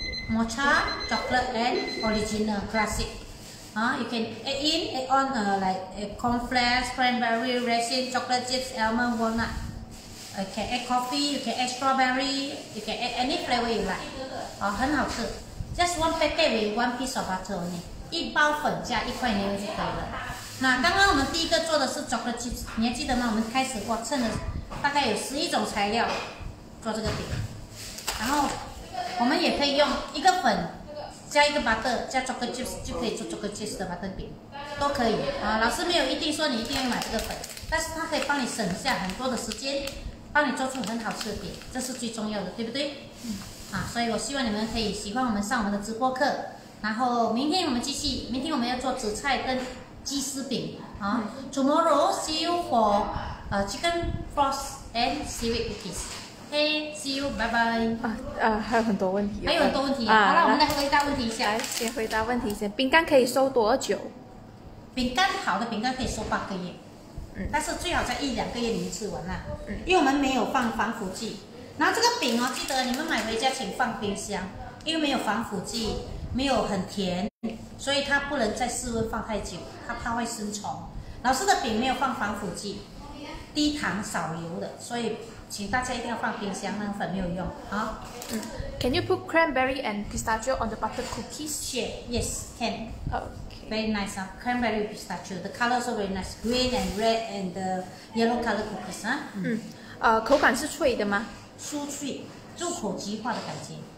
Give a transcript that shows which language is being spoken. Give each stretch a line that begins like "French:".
English: Mocha, chocolate and original, classic. You can add on like cornflakes, cranberry, raisin, chocolate chips, almond, walnut. You can add coffee, you can add strawberry, you can add any flavor you like.
Chinese: 很好吃。
English: Just one packet with one piece of butter only.
Chinese: 一包粉加一块牛肉就可以了。那刚刚我们第一个做的是 chocolate chips, 你还记得吗？我们开始过称了大概有11种材料做这个饼。然后我们也可以用一个粉加一个 butter 加 chocolate chips 就可以做 chocolate chips 的 butter 饼，都可以啊。老师没有一定说你一定要买这个粉，但是它可以帮你省下很多的时间，帮你做出很好吃的饼，这是最重要的，对不对？嗯。啊，所以我希望你们可以喜欢我们上我们的直播课，然后明天我们继续，明天我们要做紫菜跟鸡丝饼啊。
English: Tomorrow see you for chicken frost and seaweed cookies. Hey, see you, bye bye.
Chinese: 还有很多问题。还有很多问题。好了，我们来回答问题一下。来，先回答问题先。饼干可以收多久？饼干好的饼干可以收8个月。嗯。但是最好在1-2个月里面吃完啦。嗯。因为我们没有放防腐剂。然后这个饼哦，记得你们买回家请放冰箱，因为没有防腐剂，没有很甜，所以它不能在室温放太久，它怕会生虫。老师的饼没有放防腐剂，低糖少油的，所以。请大家一定要放冰箱，那个粉没有用。好。
English: Can you put cranberry and pistachio on the butter cookies? Sure. Yes, can. Okay. Very nice, huh? Cranberry pistachio. The colors are very nice. Green and red and the yellow color cookies, huh?
Chinese: 口感是脆的吗？酥脆，入口即化的感觉。